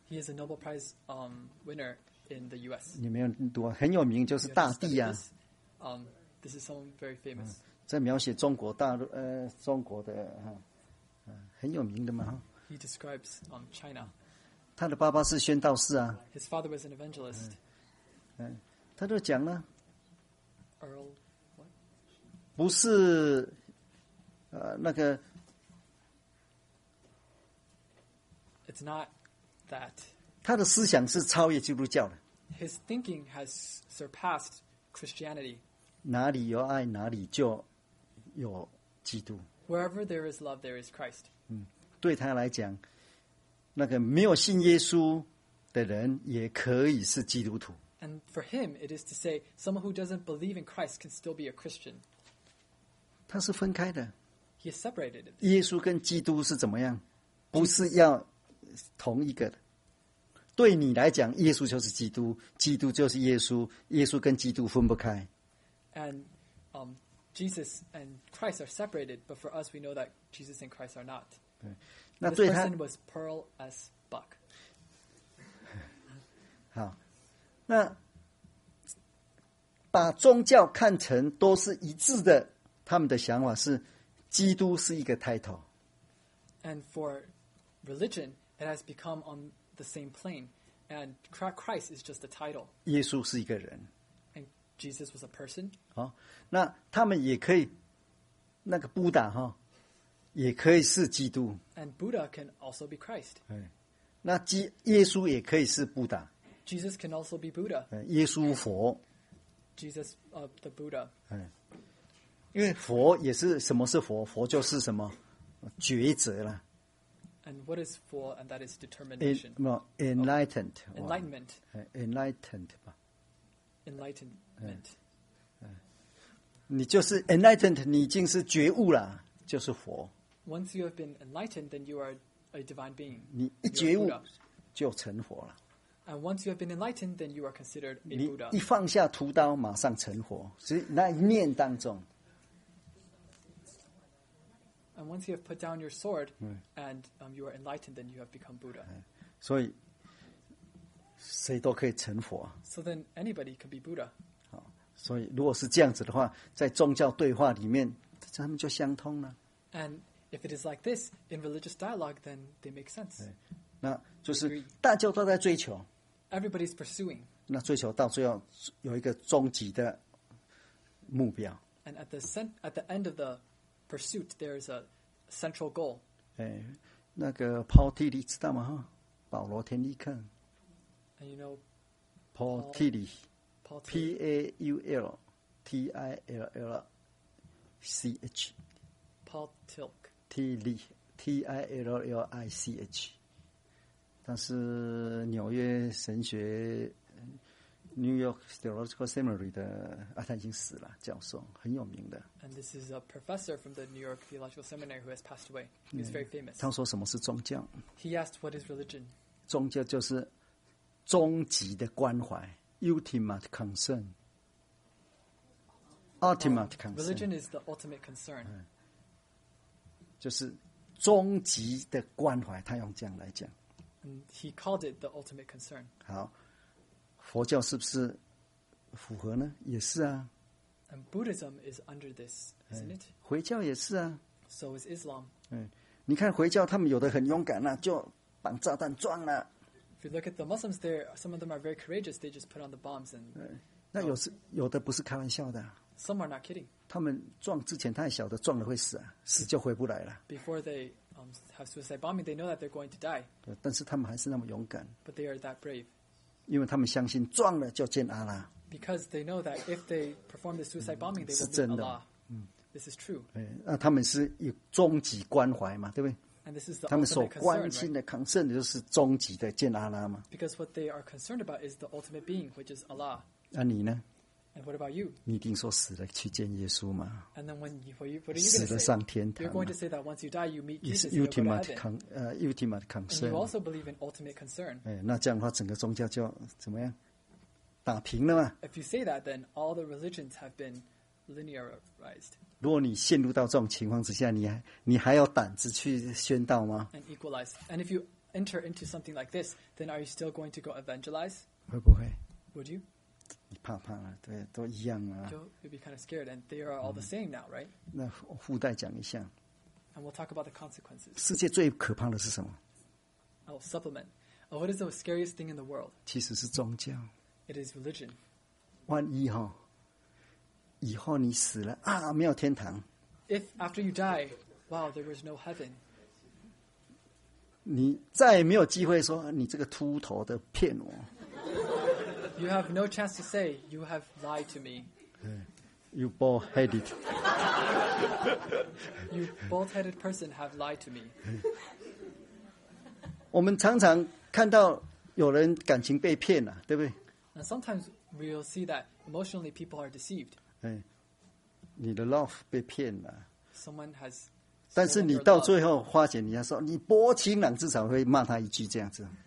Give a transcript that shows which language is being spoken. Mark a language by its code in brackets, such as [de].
[en] ，He is a Nobel Prize winner in the U.S. [zh] 你没有读啊，很有名，就是大地啊。 [en] This is someone very famous. [zh] 在描写中国大陆中国的很有名的嘛。 [en] He describes China. [zh] 他的爸爸是宣道士啊。 [en] His father was an evangelist. [zh] 他都讲了。 [en] Earl, what? [zh] 不是，那个。 [en] It's not that. [zh] 他的思想是超越基督教的。 [en] His thinking has surpassed Christianity. [zh] 哪里有爱，哪里就有基督。 [en] Wherever there is love, there is Christ. [zh] 对他来讲，那个没有信耶稣的人也可以是基督徒。 [en] And for him, it is to say, someone who doesn't believe in Christ can still be a Christian. [zh] 他是分开的。 [en] He is separated. [zh] 耶稣跟基督是怎么样？不是要同一个的。对你来讲，耶稣就是基督，基督就是耶稣，耶稣跟基督分不开。 [en] And, Jesus and Christ are separated, but for us, we know that Jesus and Christ are not. [zh] 那对他 [en] This person was Pearl S. Buck. [zh] 好，那把宗教看成都是一致的，他们的想法是基督是一个 title. [en] And for religion, it has become on the same plane, and Christ is just a title. [zh] 耶稣是一个人。 [en] Jesus was a person. [zh] 好，那他们也可以，那个 Buddha 哈，也可以是基督。 [en] And Buddha can also be Christ. [zh] 那耶稣也可以是 Buddha. [en] Jesus can also be Buddha. [zh] 耶稣佛。 [en] Jesus of the Buddha. [zh] 因为佛也是什么是佛？佛就是什么抉择了。 [en] And what is佛？ And that is determination. No, enlightened. Oh, enlightenment. Enlightened 吧。 Enlightened. [zh] 你就是 enlightened， 你已经是觉悟了，就是佛。 [en] Once you have been enlightened, then you are a divine being. [zh] 你一觉悟就成佛了。 [en] And once you have been enlightened, then you are considered a Buddha. [zh] 你一放下屠刀，马上成佛，是那一念当中。 [en] And once you have put down your sword, and you are enlightened, then you have become Buddha. [zh] 所以谁都可以成佛。 [en] So then anybody can be Buddha. [zh] 所以如果是这样子的话，在宗教对话里面他们就相通了。 [en] And if it is like this in religious dialogue, then they make sense. [zh] 那就是大家都在追求。 [en] Everybody's pursuing. [zh] 那追求到最后有一个终极的目标。 [en] And at the end of the pursuit, there is a central goal. [zh] 那个 Paul Tilly 知道吗？保罗天利克。 [en] And you know, Paul Tilly. P-A-U-L-T-I-L-L-I-C-H Paul Tillich [zh] T-I-L-L-I-C-H 但是纽约神学 New York Theological Seminary 的他已经死了教授很有名的 [en] And this is a professor from the New York Theological Seminary who has passed away He's very famous [zh] 他说什么是宗教 [en] He asked what is religion [zh] 宗教就是终极的关怀 [en] Ultimate concern. Ultimate concern. Religion is the ultimate concern. [zh] 就是终极的关怀，他用这样来讲。 [en] And he called it the ultimate concern. [zh] 好，佛教是不是符合呢？也是啊。 [en] And Buddhism is under this, isn't it? [zh] 回教也是啊。 [en] So is Islam. [zh] 你看回教他们有的很勇敢啊，就绑炸弹撞了。 [en] If you look at the Muslims there, some of them are very courageous. They just put on the bombs and. [zh] 那有时有的不是开玩笑的。 [en] Some are not kidding. [zh] 他们撞之前，他也晓得撞了会死啊，死就回不来了。 [en] Before they have suicide bombing, they know that they're going to die. [zh] 但是他们还是那么勇敢。 [en] But they are that brave. [zh] 因为他们相信撞了就见阿拉。 [en] Because they know that if they perform the suicide bombing, they will meet Allah. This is true. [zh] 那他们是有终极关怀嘛，对不对？ [en] And this is the [zh] 他们所关心的 concern 就是终极的见阿拉嘛。 [en] Because what they are concerned about is the ultimate being, which is Allah. [zh] 那你呢 [en] ？And what about you? [zh] 你一定说死了去见耶稣嘛。 [en] And then when you, what are you going to say? [zh] 死了上天堂。 [en] You're going to say that once you die, you meet Jesus. It's ultimate concern. And you also believe in ultimate concern. [zh] 那这样的话，整个宗教就怎么样打平了嘛 [en] ？If you say that, then all the religions have been linearized. [zh] 如果你陷入到这种情况之下，你还有胆子去宣道吗 [en] ？And equalize. And if you enter into something like this, then are you still going to go evangelize? [zh] 会不会 [en] ？Would you? You'll be kind of scared, and they are all the same now, right? [zh] 那附带讲一下, [en] and we'll talk about the consequences. [zh] 世界最可怕的是什么? [en] Oh, supplement. Oh, what is the scariest thing in the world? [zh] 其实是宗教. [en] It is religion. [zh] 万一哦, 以后你死了, 啊, 没有天堂, [en] if after you die, wow, there was no heaven. [zh] 你再也没有机会说你这个秃头的骗我。 [en] You have no chance to say you have lied to me. You bald-headed. You bald-headed person have lied to me. [zh] 我们常常看到有人感情被骗了，对不对？ [en] And sometimes we will see that emotionally people are deceived. [zh] 你的 love 被骗了。 [en] Someone has. [zh] 但是你到最后花钱，你要说你薄情郎，至少会骂他一句这样子。